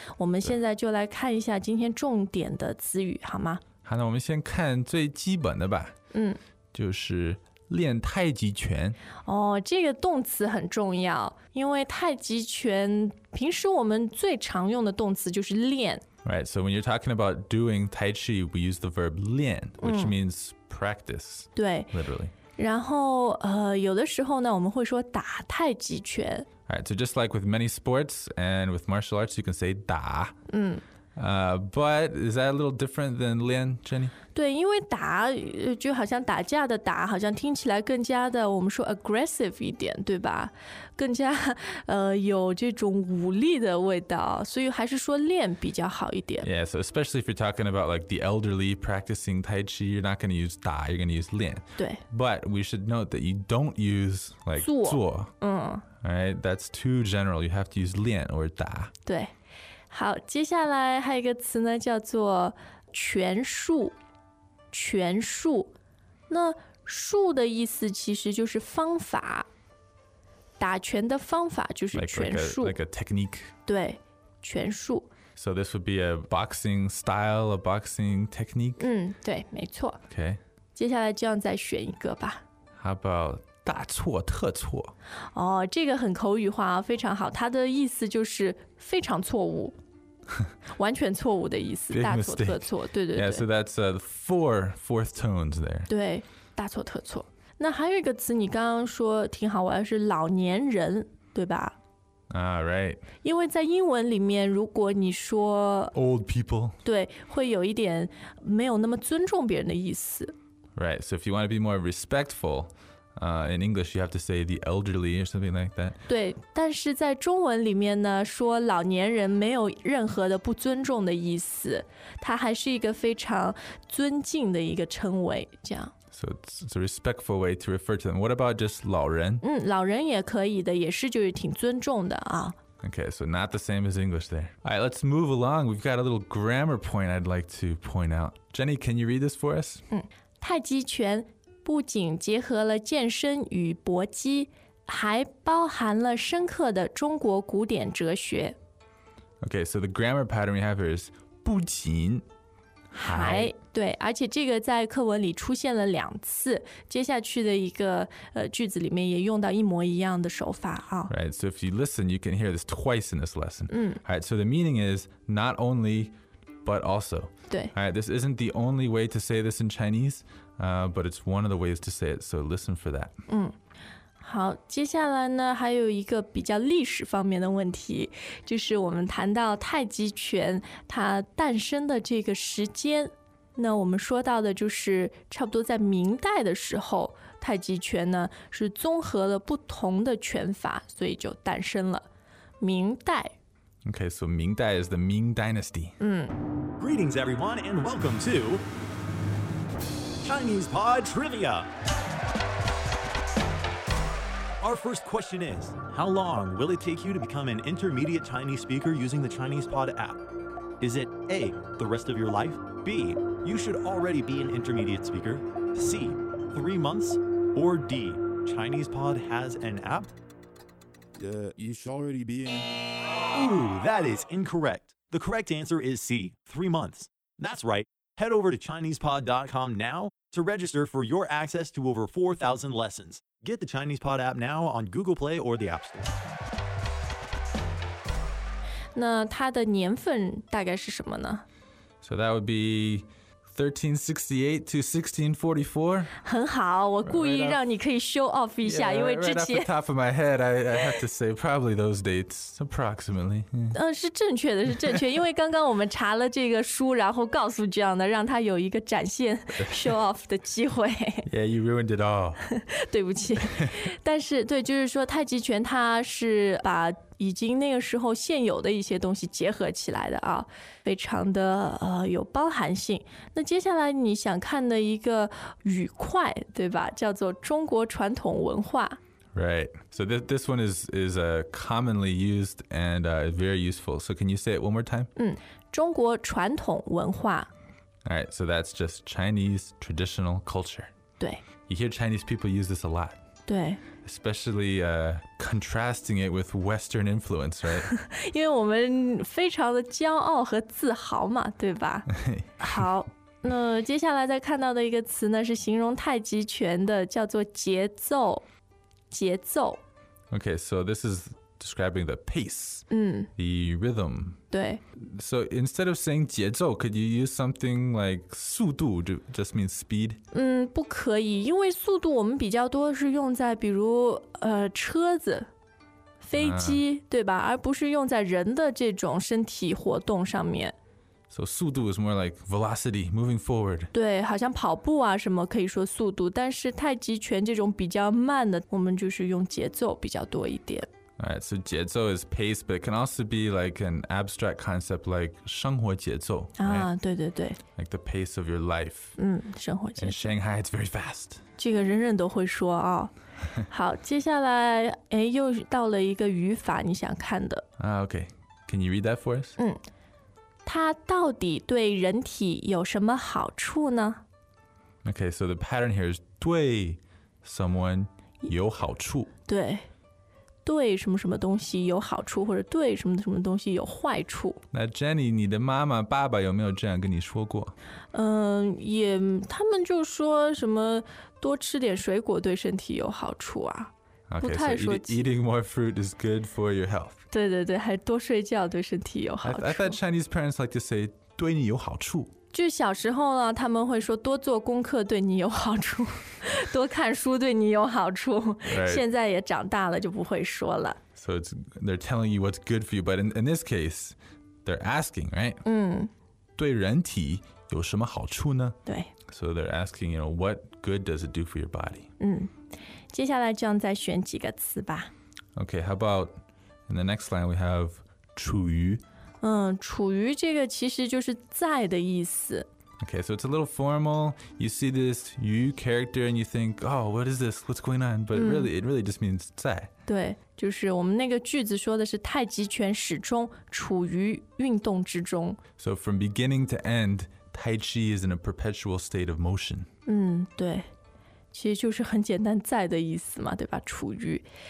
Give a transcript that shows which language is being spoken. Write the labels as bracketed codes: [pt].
[zh] 我们现在就来看一下今天重点的词语，好吗？好，那我们先看最基本的吧。就是练太极拳。哦，这个动词很重要，因为太极拳平时我们最常用的动词就是练。 [en] Right, so when you're talking about doing Tai Chi, we use the verb 练, which means practice. [zh] 对 [en] ，literally. [zh] 然后有的时候呢，我们会说打太极拳。 [en] Alright, so just like with many sports and with martial arts, you can say 打。 But is that a little different than 练, Jenny? [zh] 对，因为打就好像打架的打，好像听起来更加的我们说 [en] aggressive [zh] 一点，对吧？更加有这种武力的味道，所以还是说练比较好一点。 [en] Yeah, so especially if you're talking about like the elderly practicing Tai Chi, you're not going to use 打, you're going to use 练。 [zh] 对。 [en] But we should note that you don't use like [zh] 做。 [en] Alright, that's too general. You have to use 练 or 打。 [zh] 对。好，接下来还有一个词呢，叫做拳术。拳术，那术的意思其实就是方法，打拳的方法就是拳术。 [en] Like a technique. [zh] 对，拳术。 [en] So this would be a boxing style, a boxing technique? [zh] 对，没错。 [en] Okay. [zh] 接下来这样再选一个吧。 [en] How about 大错特错。 [zh] 哦，这个很口语化，非常好，它的意思就是非常错误。完全错误的意思，大错特错，对对对。 [en] Yeah, so that's fourth tones there. [zh] 对，大错特错。那还有一个词，你刚刚说挺好玩，是老年人，对吧？ [en] Right. [zh] 因为在英文里面，如果你说 [en] old people, [zh] 对，会有一点没有那么尊重别人的意思。 [en] Right. So if you want to be more respectful, in English, you have to say the elderly or something like that. [zh] 对，但是在中文里面呢，说老年人没有任何的不尊重的意思，它还是一个非常尊敬的一个称谓，这样。 [en] So it's a respectful way to refer to them. What about just 老人？ [zh] 嗯，老人也可以的，也是就是挺尊重的啊。 [en] Okay, so not the same as English there. All right, let's move along. We've got a little grammar point I'd like to point out. Jenny, can you read this for us? [zh] 嗯，太极拳不仅结合了健身与搏击，还包含了深刻的中国古典哲学。 [en] Okay, so the grammar pattern we have here is 不仅 [zh] 还对，而且这个在课文里出现了两次，接下去的一个句子里面也用到一模一样的手法啊。 [en] Right, so if you listen, you can hear this twice in this lesson. [zh] 嗯。 [en] Right, so the meaning is not only, but also. [zh] 对。 [en] Right, this isn't the only way to say this in Chinese, but it's one of the ways to say it. So listen for that. [zh] 嗯，好，接下来呢还有一个比较历史方面的问题，就是我们谈到太极拳它诞生的这个时间。那我们说到的就是差不多在明代的时候，太极拳呢是综合了不同的拳法，所以就诞生了。明代。 [en] Okay, so 明代 is the Ming Dynasty. [zh] 嗯。 [en] Greetings, everyone, and welcome to Chinese Pod Trivia. Our first question is, how long will it take you to become an intermediate Chinese speaker using the Chinese Pod app? Is it A, the rest of your life? B,You should already be an intermediate speaker. C, 3 months. Or D, Chinese Pod has an app? You should already be in. Ooh, that is incorrect. The correct answer is C, 3 months. That's right. Head over to ChinesePod.com now to register for your access to over 4,000 lessons. Get the Chinese Pod app now on Google Play or the App Store. [zh] 那它的年份大概是什么呢? [en] So that would be... 1368 to 1644. [zh] 很好，我故意让你可以 [en] show off [zh] 一下，因为之前 [en] right off the top of my head, I have to say probably those dates approximately. [zh] 嗯，是正确的，是正确，因为刚刚我们查了这个书，然后告诉这样的，让他有一个展现 [en] show off [zh] 的机会。 [en] Yeah, you ruined it all. [zh] 对不起，但是对，就是说太极拳它是把已经那个时候现有的一些东西结合起来的啊，非常的有包含性。那接下来你想看的一个语块，对吧？叫做中国传统文化。 [en] Right. So this one is commonly used and very useful. So can you say it one more time? [zh] 嗯，中国传统文化。 [en] All right. So that's just Chinese traditional culture. [zh] 对。 [en] You hear Chinese people use this a lot. [zh] 对。 [en] Especially contrasting it with Western influence, right? [zh] 因为我们非常的骄傲和自豪嘛，对吧？好，那接下来再看到的一个词呢，是形容太极拳的，叫做节奏，节奏。 [en] Okay, so this is describing the pace, [zh] 嗯, [en] the rhythm. [zh] 对。 [en] So instead of saying 节奏, could you use something like 速度, just means speed? [zh] 嗯，不可以，因为速度我们比较多是用在比如车子、飞机, 对吧？而不是用在人的这种身体活动上面。 [en] So 速度 is more like velocity, moving forward. [zh] 对，好像跑步啊什么可以说速度，但是太极拳这种比较慢的，我们就是用节奏比较多一点。 [en] Alright, so 节奏 is pace, but it can also be like an abstract concept like 生活节奏 [zh] 啊、 [en] right? [zh] 对对对 [en] Like the pace of your life [zh] 嗯，生活节奏 [en] In Shanghai, it's very fast [zh] 这个人人都会说啊、哦、好，接下来哎，又到了一个语法你想看的 [en] Okay, can you read that for us? [zh] 嗯，它到底对人体有什么好处呢? [en] Okay, so the pattern here is 对 someone 有好处 [zh] 对对什么什么东西有好处或者对什么什么东西有坏处。那 Jenny 你的妈妈爸爸有没有这样跟你说过？也他们就说什么多吃点水果对身体有好处啊。 [en] Okay, [zh] 不太说、 [en] so、eating more fruit is good for your health. [zh] 对对对，还多睡觉对身体有好处。 [en] I thought Chinese parents like to say [zh] 对你有好处。就小时候呢，他们会说多做功课对你有好处，多看书对你有好处。 [en] Right. [zh] 现在也长大了就不会说了。 [en] So they're telling you what's good for you, but in this case, they're asking, right? [zh] 对人体有什么好处呢？对。 [en] So they're asking, you know, what good does it do for your body? [zh] 接下来这样再选几个词吧。 [en] Okay, how about in the next line we have 处于。 [zh] 处于这个其实就是在的意思。 [en] Okay, so it's a little formal. You see this 余 character and you think, oh, what is this? What's going on? But really, it really just means 在。 [zh] 对，就是我们那个句子说的是太极拳始终处于运动之中。 [en] So from beginning to end, Tai Chi is in a perpetual state of motion. [zh] 对，其实就是很简单在的意思嘛，对吧？处于。